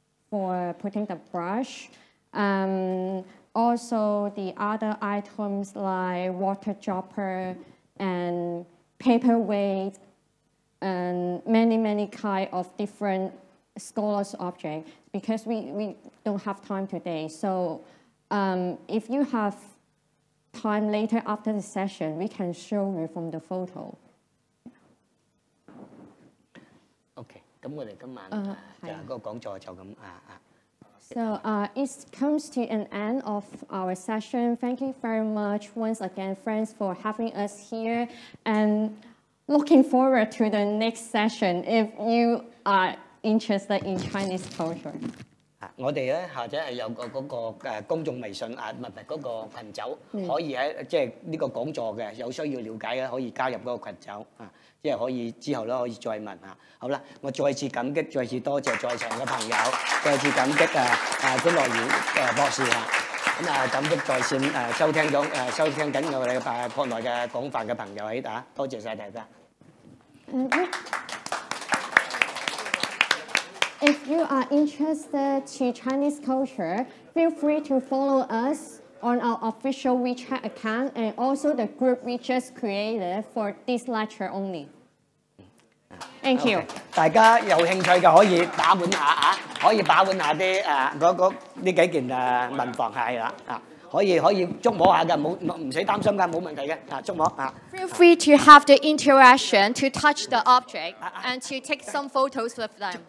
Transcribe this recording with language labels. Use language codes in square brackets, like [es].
[en] For putting the brush, also the other items like water dropper and paperweight, and many kind of different scholars' object. Because we don't have time today, so if you have time later after the session, we can show you from the photo. Okay. [yue] 咁我哋今晚就嗰個講座就咁啊啊。 [en] So it comes to an end of our session. Thank you very much once again, friends, for having us here, and looking forward to the next session. If you are interested in Chinese culture, [yue] 我哋咧或者係有個嗰個公眾微信啊，唔係嗰個群組，可以喺即係呢個講座嘅有需要了解嘅，可以加入嗰個群組啊。即係可以之後咧，可以再問下。好啦，我再次感激，再次多謝在場嘅朋友，再次感激潘樂瑤博士啊。咁啊，感激在線收聽咗收聽緊我哋國內嘅廣泛嘅朋友喺度啊，多謝曬大家。 [en] If you are interested to Chinese culture, feel free to follow us on our official WeChat account and also the group we just created for this lecture only. Thank you. Okay. [yue] 大家有興趣嘅可以把玩下啊，可以把玩下啲嗰呢幾件文房係啦啊，可以觸摸下嘅，冇唔使擔心㗎，冇問題嘅啊，觸摸啊。 [en] Feel free to have the interaction to touch the object and to take some photos with them.